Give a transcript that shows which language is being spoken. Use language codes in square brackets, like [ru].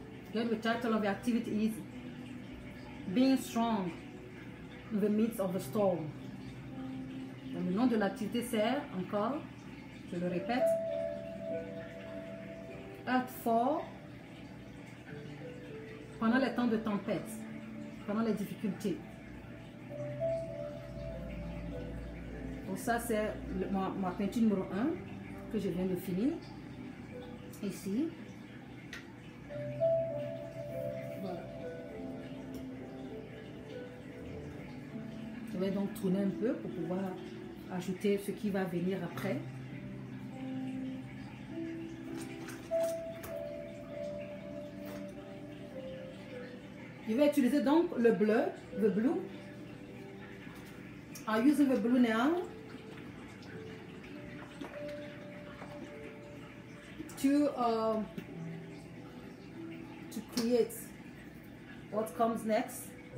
[en] Okay, the title of the activity is Being Strong in the Midst of the Storm. [fr] Donc, le nom de l'activité c'est encore, je le répète, Être fort pendant les temps de tempête, pendant les difficultés. Donc ça c'est ma peinture numéro 1 que je viens de finir ici. Je vais donc tourner un peu pour pouvoir ajouter ce qui va venir après. Je vais utiliser donc le bleu, le blue. [en] I'm using the blue now to create what comes next.